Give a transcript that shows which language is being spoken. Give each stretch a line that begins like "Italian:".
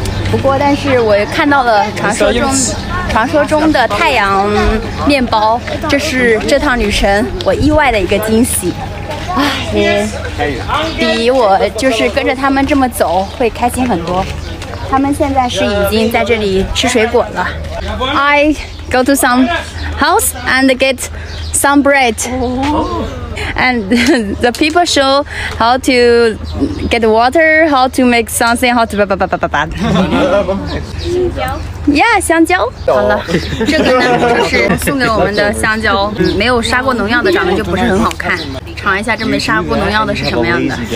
Chinese: 不过但是我看到了传说中的太阳面包，这是这趟旅程我意外的一个惊喜，哎，比我就是跟着他们这么走会开心很多。他们现在是已经在这里吃水果了。
English: I go to some house and get some bread, and the people show how to get water, how to make something, how to 叭叭叭叭叭叭。
Chinese: Yeah, 香蕉。好了，这个呢就是送给我们的香蕉。没有杀过农药的长得就不是很好看。尝一下这枚砂锅农药的是什么样的。